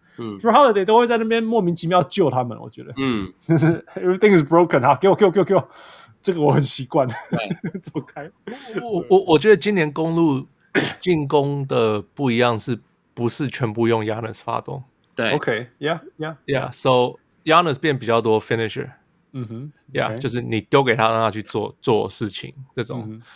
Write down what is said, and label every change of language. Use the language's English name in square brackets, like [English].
[Chinese] Drew Holiday 都会在那边莫名其妙救他们，我觉得。嗯，就是 [English] Everything is broken [Chinese] 哈，给我给我给我给我，这个我很习惯。走开。我觉得今年公路进攻的不一样，是不是全部用 Giannis 发动？对 [English] ，OK， yeah， yeah， yeah， so Giannis [Chinese] 变比较多 [English] finisher。嗯哼，Yeah，、 okay. [Chinese] 就是你丢给他，让他去做事情这种。Mm-hmm.